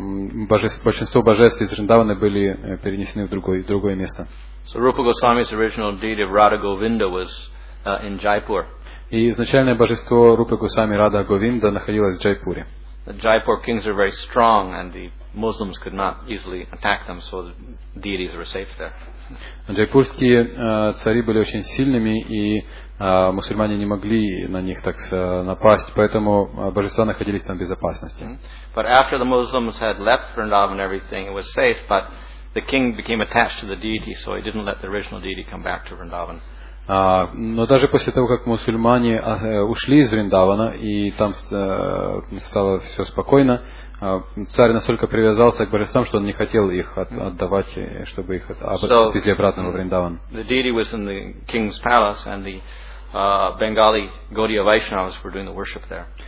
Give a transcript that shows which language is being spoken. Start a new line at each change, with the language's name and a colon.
Russian: большинство божеств из Вриндавана были перенесены в другое место.
English: So Rupa Goswami's original deity of Radha Govinda was in Jaipur.
Russian: И изначальное божество Рупы Госвами Радха Говинда находилось в Джайпуре.
English: The Jaipur kings were very strong, and the Muslims could not easily attack them, so the deities were safe there.
Russian: Джайпурские цари были очень сильными, и мусульмане не могли на них так напасть, поэтому божества находились там в безопасности.
English: But after the Muslims had left Vrindavan and everything, it was safe, but the king became attached to the deity, so he didn't let the original deity come back to Vrindavan.
Russian: Но даже после того, как мусульмане ушли из Вриндавана, и там стало все спокойно, царь настолько привязался к божествам, что он не хотел их отдавать, чтобы их отвезли обратно во Вриндаван.
English: The deity was in the king's palace, and the Bengali Gaudiya Vaishnavas were doing the worship there.